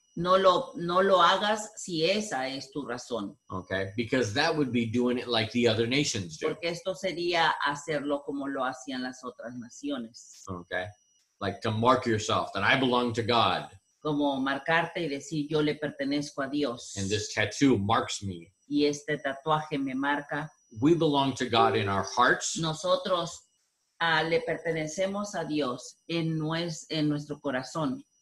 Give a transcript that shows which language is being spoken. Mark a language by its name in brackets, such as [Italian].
[Spanish] No lo hagas si esa es tu razón. [English] Okay, because that would be doing it like the other nations do. [Spanish] Porque esto sería hacerlo como lo hacían las otras naciones. [English] Okay, like to mark yourself that I belong to God. [Spanish] Como marcarte y decir yo le pertenezco a Dios. [English] And this tattoo marks me. [Spanish] Y este tatuaje me marca. [English] We belong to God in our hearts. [Spanish] Nosotros le pertenecemos a Dios en nuestro corazón.